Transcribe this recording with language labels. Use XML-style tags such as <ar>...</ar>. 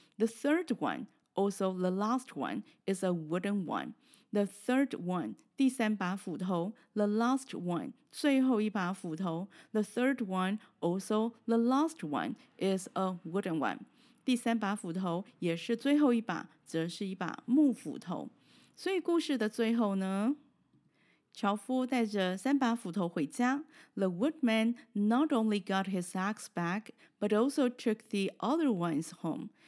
<en>The third oneAlso, the last one is a wooden one. The third one,</en> <zh>第三把斧头</zh> <en>The last one,</en> <zh>最后一把斧头</zh> <en>The third one, also the last one, is a wooden one.</en> <zh>第三把斧头也是最后一把则是一把木斧头。所以故事的最后呢樵夫带着三把斧头回家</zh> <en>The woodman not only got his axe back, but also took the other ones home.</en>